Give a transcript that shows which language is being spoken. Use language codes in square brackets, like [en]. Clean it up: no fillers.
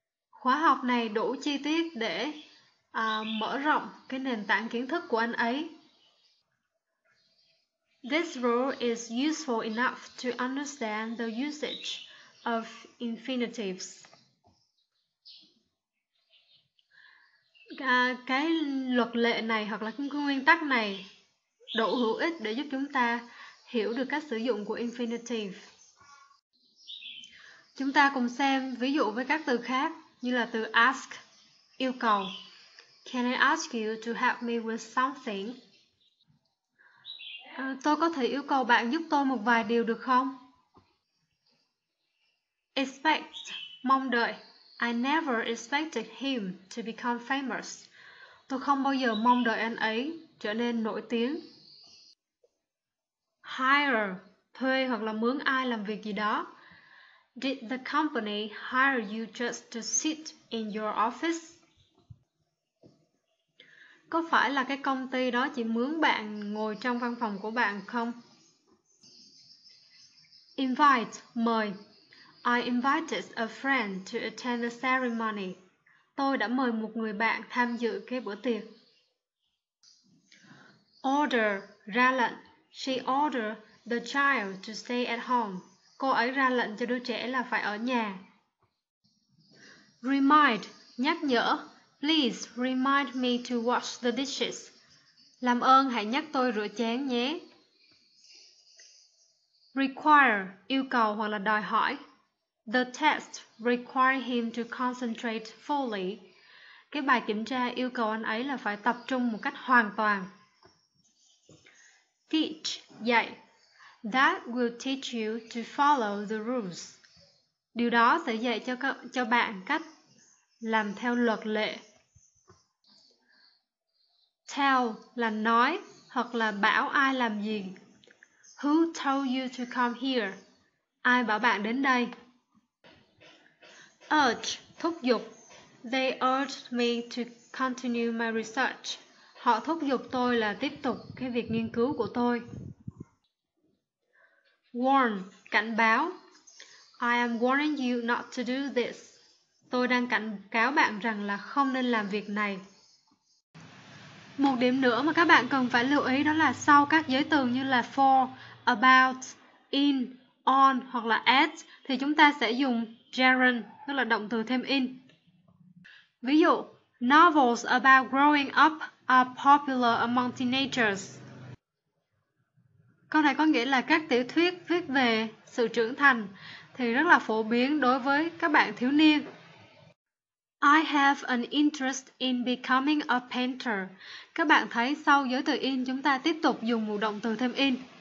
[vi] Khóa học này đủ chi tiết để mở rộng cái nền tảng kiến thức của anh ấy. [en] This rule is useful enough to understand the usage of infinitives. [vi] Cái luật lệ này hoặc là cái nguyên tắc này đủ hữu ích để giúp chúng ta hiểu được cách sử dụng của infinitive. Chúng ta cùng xem ví dụ với các từ khác như là từ ask, yêu cầu. [en] Can I ask you to help me with something? [vi] Tôi có thể yêu cầu bạn giúp tôi một vài điều được không? [en] Expect, mong đợi. I never expected him to become famous. [vi] Tôi không bao giờ mong đợi anh ấy trở nên nổi tiếng. Hire, thuê hoặc là mướn ai làm việc gì đó. [en] Did the company hire you just to sit in your office? [vi] Có phải là cái công ty đó chỉ mướn bạn ngồi trong văn phòng của bạn không? Invite, mời. [en] I invited a friend to attend the ceremony. [vi] Tôi đã mời một người bạn tham dự cái bữa tiệc. Order, ra lệnh. [en] She ordered the child to stay at home. [vi] Cô ấy ra lệnh cho đứa trẻ là phải ở nhà. Remind, nhắc nhở. [en] Please remind me to wash the dishes. [vi] Làm ơn hãy nhắc tôi rửa chén nhé. [en] Require, [vi] yêu cầu hoặc là đòi hỏi. [en] The test required him to concentrate fully. [vi] Cái bài kiểm tra yêu cầu anh ấy là phải tập trung một cách hoàn toàn. Teach, dạy. [en] That will teach you to follow the rules. [vi] Điều đó sẽ dạy cho bạn cách làm theo luật lệ. Tell là nói hoặc là bảo ai làm gì. [en] Who told you to come here? [vi] Ai bảo bạn đến đây? [en] Urge, thúc giục. They urged me to continue my research. [vi] Họ thúc giục tôi là tiếp tục cái việc nghiên cứu của tôi. [en] Warn, cảnh báo. I am warning you not to do this. [vi] Tôi đang cảnh cáo bạn rằng là không nên làm việc này. Một điểm nữa mà các bạn cần phải lưu ý đó là sau các giới từ như là for, about, in, on hoặc là at thì chúng ta sẽ dùng gerund, tức là động từ thêm in. Ví dụ, [en] novels about growing up are popular among teenagers. [vi] Câu này có nghĩa là các tiểu thuyết viết về sự trưởng thành thì rất là phổ biến đối với các bạn thiếu niên. [en] I have an interest in becoming a painter. [vi] Các bạn thấy sau giới từ in chúng ta tiếp tục dùng một động từ thêm in.